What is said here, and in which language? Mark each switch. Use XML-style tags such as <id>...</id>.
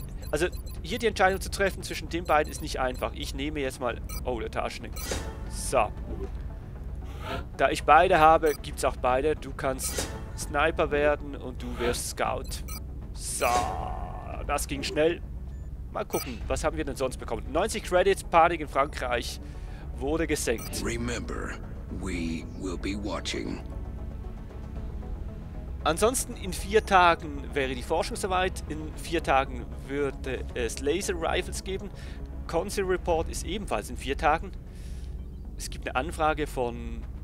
<de>Also hier die Entscheidung zu treffen zwischen den beiden ist nicht einfach. Ich nehme jetzt mal Oletaschnik. So. Da ich beide habe, gibt es auch beide. Du kannst Sniper werden und du wirst Scout. So. Das ging schnell. Mal gucken, was haben wir denn sonst bekommen? 90 Credits, Panik in Frankreich wurde gesenkt.</de> <en>Remember, we will be watching.</en> <de>Ansonsten in 4 Tagen wäre die Forschung soweit. In 4 Tagen würde es Laser Rifles geben. Council Report ist ebenfalls in 4 Tagen. Es gibt eine Anfrage von...</de>